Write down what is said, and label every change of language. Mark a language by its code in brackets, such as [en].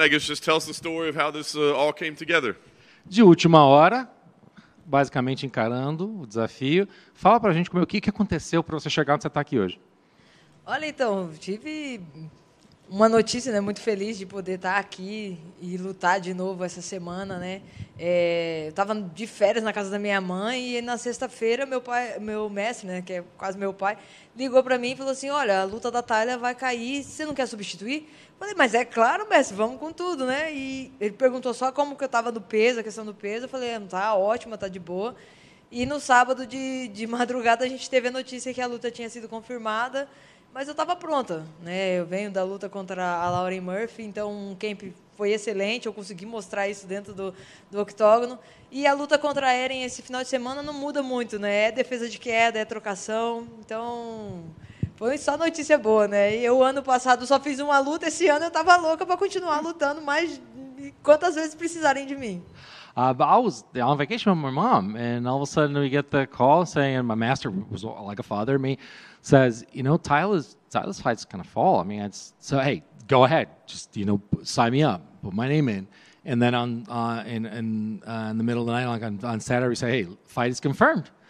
[en] I guess just tell us the story of how this all came together. [pt] De última hora, basicamente encarando o desafio. Fala pra gente como é, o que, que aconteceu para você chegar onde você está aqui hoje. Olha, então, tive uma notícia, né? Muito feliz de poder estar aqui e lutar de novo essa semana, né? Eu estava de férias na casa da minha mãe e na sexta-feira meu pai, meu mestre, né, que é quase meu pai, ligou para mim e falou assim: olha, a luta da Thalia vai cair, você não quer substituir? Eu falei: mas é claro, mestre, vamos com tudo, né? E ele perguntou só como que eu estava no peso, a questão do peso. Eu falei: tá ótima, tá de boa. E no sábado de madrugada a gente teve a notícia que a luta tinha sido confirmada. Mas eu estava pronta, né? Eu venho da luta contra a Lauren Murphy, então o camp foi excelente, eu consegui mostrar isso dentro do octógono. E a luta contra a Erin esse final de semana não muda muito, né? É defesa de queda, é trocação, então foi só notícia boa, né? E eu ano passado só fiz uma luta, esse ano eu estava louca para continuar lutando mais quantas vezes precisarem de mim. [en] I was on vacation with my mom, and all of a sudden we get the call saying, and my master was like a father to me, says, you know, Tyler's fight's going to fall. I mean, it's, so hey, go ahead, just, you know, sign me up, put my name in. And then in the middle of the night, like on Saturday, we say, hey, fight is confirmed.